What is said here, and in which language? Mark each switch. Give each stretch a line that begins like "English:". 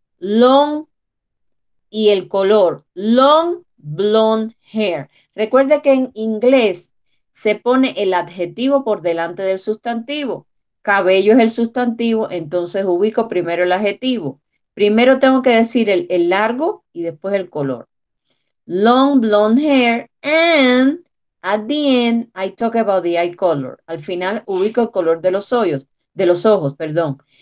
English: Long
Spanish: y el color.
English: Long blonde hair.
Spanish: Recuerde que en inglés se pone el adjetivo por delante del sustantivo. Cabello es el sustantivo, entonces ubico primero el adjetivo. Primero tengo que decir el largo y después el color.
English: Long blonde hair and at the end, I talk about the eye color.
Spanish: Al final, ubico el color de los ojos, perdón.